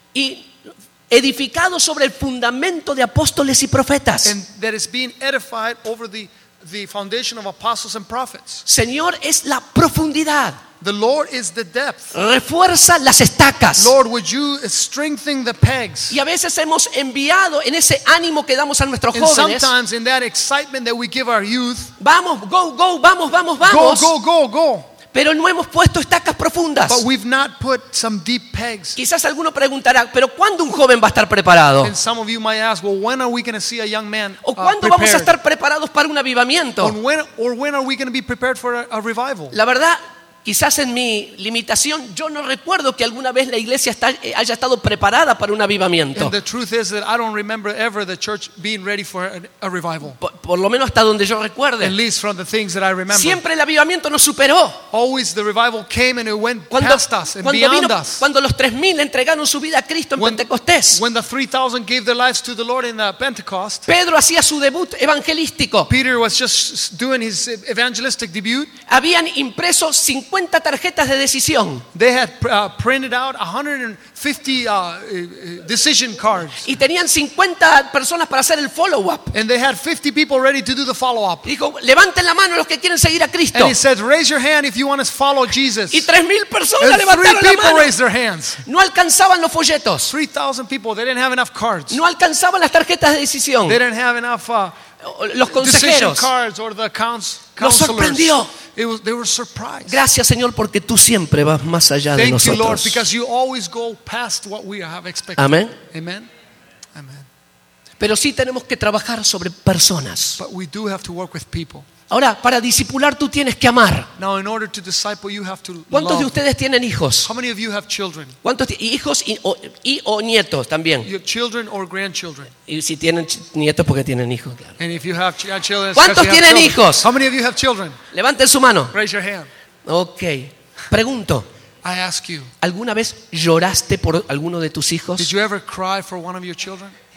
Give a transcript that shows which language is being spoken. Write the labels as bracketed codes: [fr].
[es] Y edificado sobre el fundamento de apóstoles y profetas. [en] And that is being edified over the foundation of apostles and prophets. [es] Señor, es la profundidad. [en] The Lord is the depth. [es] Refuerza las estacas. [en] Lord, would you strengthen the pegs? [es] Y a veces hemos enviado en ese ánimo que damos a nuestros [en] and [es] jóvenes. [en] Sometimes in that excitement that we give our youth. [es] Vamos, [en] go, go, [es] vamos, vamos, vamos. [en] Go, go, go, go. [es] Pero no hemos puesto estacas profundas. [en] But we've not put some deep pegs. [es] Quizás alguno preguntará, ¿pero cuándo un joven va a estar preparado? [en] And some of you might ask, well, when are we going to see a young man? [es] ¿O cuándo vamos a estar preparados para un avivamiento? [en] Or when are we going to be prepared for a revival? [es] La verdad, quizás en mi limitación, yo no recuerdo que alguna vez la iglesia haya estado preparada para un avivamiento. [en] And the truth is that I don't remember ever the church being ready for a revival. [es] Por lo menos hasta donde yo recuerde. [en] At least from the things that I remember. [es] Siempre el avivamiento nos superó. [en] Always the revival came and it went past us and beyond us. [es] Cuando los 3,000 entregaron su vida a Cristo en Pentecostés. [en] When the 3,000 gave their lives to the Lord in the Pentecost. [es] Pedro hacía su debut evangelístico. [en] Peter was just doing his evangelistic debut. [es] Habían impreso 50 50 tarjetas de decisión. [en] They had printed out 150 decision cards. [es] Y tenían 50 personas para hacer el follow up. [en] And they had 50 people ready to do the follow up. [es] Dijo, levanten la mano los que quieren seguir a Cristo. [en] And he said, raise your hand if you want to follow Jesus. [es] Y 3000 personas [en] and [es] levantaron la mano. [en] 3000 people raised their hands. [es] No alcanzaban los folletos. [en] 3000 people, they didn't have enough cards. [es] No alcanzaban las tarjetas de decisión. [en] They didn't have enough [es] los consejeros. [en] Decision cards or the counselors. [es] Los sorprendió. [en] It was, they were surprised. [es] Gracias, Señor, porque tú siempre vas más allá [en] thank [es] de nosotros. [en] You, Lord, because you always go past what we have expected. Amen. Amen. Amen. [es] Pero sí tenemos que trabajar sobre personas. [en] But we do have to work with people. [es] Ahora, para discipular tú tienes que amar. [en] Now, in order to disciple, you have to love. [es] ¿Cuántos de ustedes tienen hijos? [en] How many of you have children? [es] ¿Cuántos hijos y o nietos también? [en] Your children or grandchildren. [es] Y si tienen nietos porque tienen hijos, claro. [en] And if you have children, [es] ¿cuántos [en] you have [es] tienen [en] children? [es] Hijos? [en] How many of you have children? [es] Levanten su mano. [en] Raise your hand. [es] Okay. Pregunto. [en] I ask you. [es] ¿Alguna vez lloraste por alguno de tus hijos? [en] Did you ever cry for one of your children?